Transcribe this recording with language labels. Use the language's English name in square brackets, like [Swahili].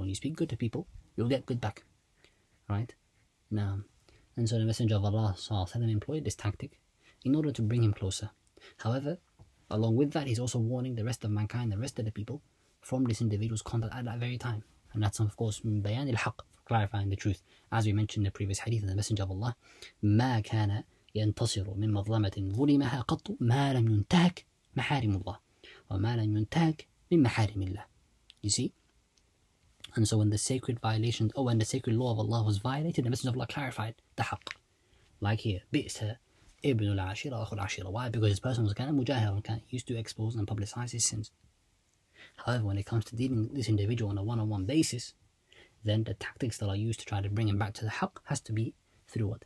[English] When you speak good to people, you'll get good back. Right? Now, and so the Messenger of Allah sallallahu alaihi wasallam employed this tactic in order to bring him closer. However, along with that, he's also warning the rest of mankind, the rest of the people, from this individual's conduct at that very time. And that's, of course, bayan al-haq, clarifying the truth. As we mentioned in the previous hadith of the Messenger of Allah, [Arabic] ما كان ينتصر من مظلمة ظلمها قط ما لم ينتهك محارم الله وما لم ينتهك من محارم الله. [English] You see? And so when the sacred violation, oh, when the sacred law of Allah was violated, the Messenger of Allah clarified the haqq. Like here, [Arabic] بِئْسَ إِبْنُ الْعَشِرَ أَخُ الْعَشِرَ. [English] Why? Because this person was kind of mujahir, used to expose and publicize his sins. However, when it comes to dealing with this individual on a one-on-one basis, then the tactics that are used to try to bring him back to the haqq has to be through what?